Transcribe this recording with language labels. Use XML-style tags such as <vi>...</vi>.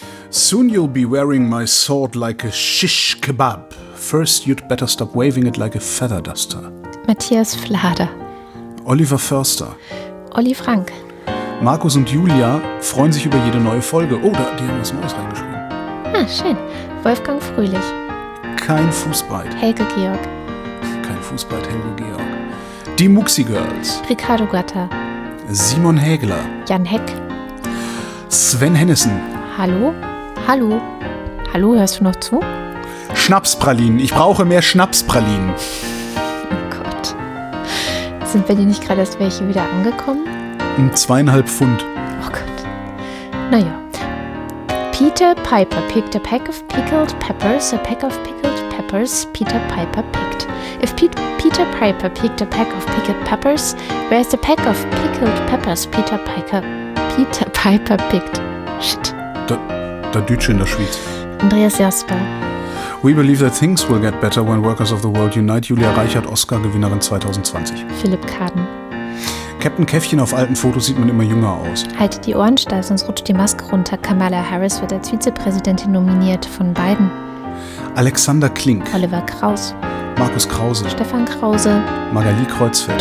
<en>Soon you'll be wearing my sword like a shish kebab. First you'd better stop waving it like a feather duster.</en> <de>Matthias Flader. Oliver Förster. Olli Frank. Markus und Julia freuen sich über jede neue Folge. Oh, da, die haben was Neues reingeschrieben. Ah, schön. Wolfgang Fröhlich. Kein Fußbreit. Helge Georg. Kein Fußbreit, Helge Georg. Die Muxi Girls. Ricardo Gatta. Simon Hägler. Jan Heck. Sven Hennissen. Hallo? Hallo? Hallo, hörst du noch zu? Schnapspralinen. Ich brauche mehr Schnapspralinen. Oh Gott. Sind bei dir nicht gerade erst welche wieder angekommen? 2,5 Pfund. Oh Gott. Naja.</de> <en>Peter Piper picked a pack of pickled peppers, a pack of pickled peppers Peter Piper picked. If Peter Piper picked a pack of pickled peppers, where's the pack of pickled peppers Peter Piper picked? Shit.</en> <gsw>Da Dütschen, da Schwyz.</gsw> <de>Andreas Jasper.</de> <en>We believe that things will get better when workers of the world unite.</en> <de>Julia Reichert, Oscar-Gewinnerin 2020. Philipp Kaden. Captain Käffchen, auf alten Fotos sieht man immer jünger aus. Halt die Ohren steif, sonst rutscht die Maske runter. Kamala Harris wird als Vizepräsidentin nominiert von Biden. Alexander Klink. Oliver Kraus. Markus Krause. Stefan Krause. Magali Kreuzfeld.</de>